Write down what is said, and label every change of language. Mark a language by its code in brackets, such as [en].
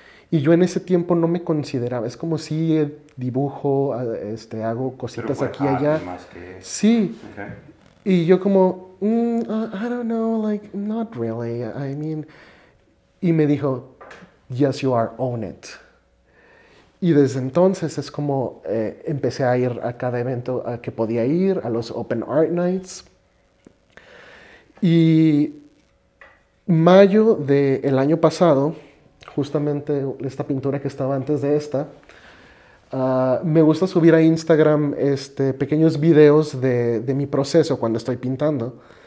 [es] Y yo en ese tiempo no me consideraba, es como si dibujo, hago cositas. Pero fue aquí y allá. Más que... Sí. Okay. Y yo como, [en] I don't know, like, not really, I mean. [es] Y me dijo, [en] yes, you are, own it. [es] Y desde entonces es como empecé a ir a cada evento a que podía ir, a los Open Art Nights. Y mayo del año pasado, justamente esta pintura que estaba antes de esta, me gusta subir a Instagram pequeños videos de mi proceso cuando estoy pintando.